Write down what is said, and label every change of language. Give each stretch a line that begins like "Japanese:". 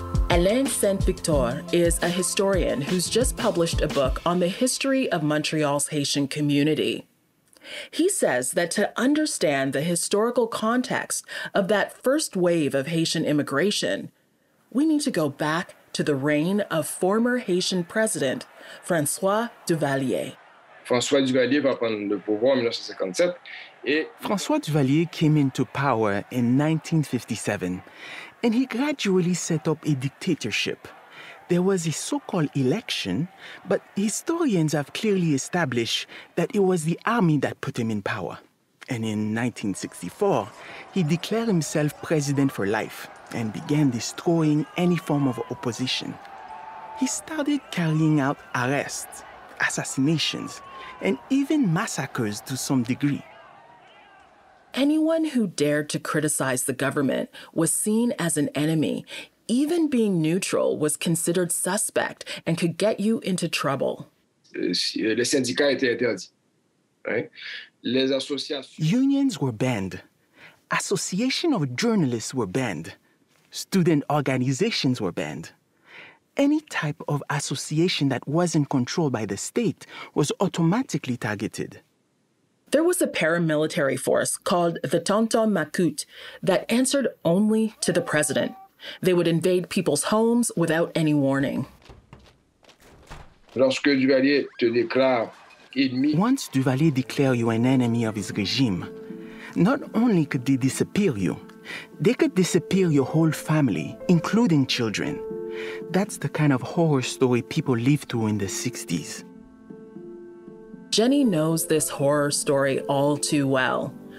English: Alain Saint-Victor is a historian who's just published a book on the history of Montreal's Haitian community. He says that to understand the historical context of that first wave of Haitian immigration, we need to go back to the reign of former Haitian president, Francois Duvalier.
French: François Duvalier va prendre le pouvoir en 1957.
English: François Duvalier came into power in 1957, and he gradually set up a dictatorship. There was a so-called election, but historians have clearly established that it was the army that put him in power. And in 1964, he declared himself president for life and began destroying any form of opposition. He started carrying out arrests, assassinations, and even massacres to some degree. Anyone who dared to criticize the government was seen as an enemy, even being neutral was considered suspect and could get you into trouble.
French: Les syndicats étaient interdits,
English: right?
French: Les associations.
English: Unions were banned. Association of journalists were banned. Student organizations were banned. Any type of association that wasn't controlled by the state was automatically targeted. There was a paramilitary force called the Tonton Macoute that answered only to the president. They would invade people's homes without any warning.
French: Lorsque Duvalier te déclare ennemi.
English: Once Duvalier declared you an enemy of his regime, not only could they disappear you, they could disappear your whole family, including children. That's the kind of horror story people lived through in the 60s. Jenny knows this horror story all too well.